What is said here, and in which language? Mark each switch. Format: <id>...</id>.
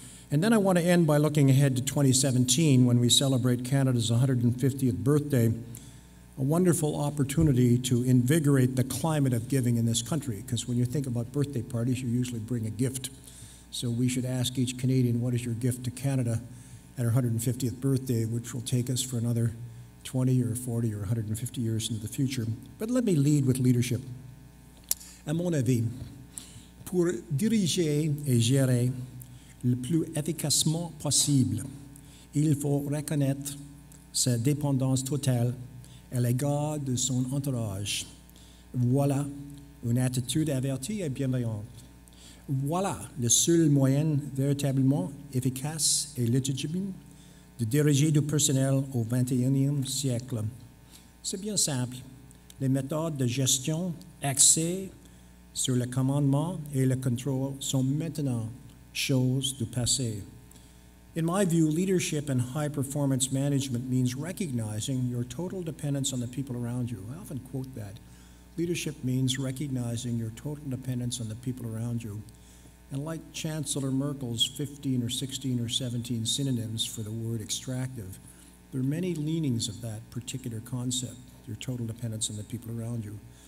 <en>And then I want to end by looking ahead to 2017 when we celebrate Canada's 150th birthday, a wonderful opportunity to invigorate the climate of giving in this country. Because when you think about birthday parties, you usually bring a gift. So we should ask each Canadian, what is your gift to Canada at our 150th birthday, which will take us for another 20 or 40 or 150 years into the future. But let me lead with leadership.</en> <fr>À mon avis, pour diriger et gérer le plus efficacement possible, il faut reconnaître sa dépendance totale à l'égard de son entourage. Voilà une attitude avertie et bienveillante. Voilà le seul moyen véritablement efficace et légitime de diriger du personnel au 21e siècle. C'est bien simple. Les méthodes de gestion axées sur le commandement et le contrôle sont maintenant choses du passé.</fr> <en>In my view, leadership and high performance management means recognizing your total dependence on the people around you. I often quote that. Leadership means recognizing your total dependence on the people around you. And like Chancellor Merkel's 15 or 16 or 17 synonyms for the word extractive, there are many leanings of that particular concept, your total dependence on the people around you.</en>